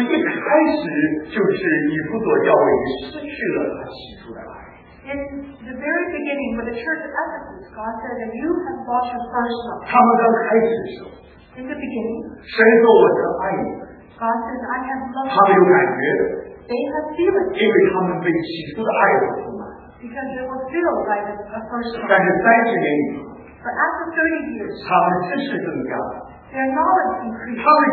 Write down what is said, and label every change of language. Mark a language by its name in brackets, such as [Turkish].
[Chinese] 一开始就是以弗所教会失去了他起初的爱。 [English] In the very beginning, when the church of Ephesus, God said that you have lost your first love. [Chinese] 他们刚开始的时候, [English] in the beginning, [Chinese] 神说我曾爱你, [English] God says, I have loved you. [Chinese] 他们有感觉, [English] they have feelings. [Chinese] 因为他们被起初的爱了, [English] because they were filled by the first love. [Chinese] 但是30年, [English] but after 30 years, [Chinese] 他们知识更加了。 [English] Their knowledge increased.